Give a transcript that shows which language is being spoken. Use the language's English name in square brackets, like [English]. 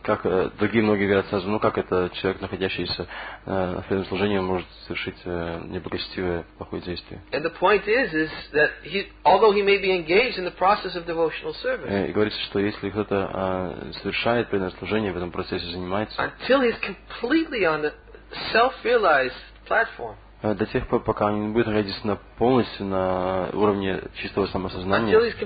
[Russian] Как другие многие говорят, сразу, ну как это человек, находящийся на преданном служении, может совершить неблагочестивое плохое действие? [English] And the point is that he, although he may be engaged in the process of devotional service, [Russian] и говорится, что если кто-то совершает преданное служение, в этом процессе занимается, [English] until he's completely on the self-realized platform. [Russian] До тех пор, пока он не будет находиться на полностью на уровне чистого самосознания.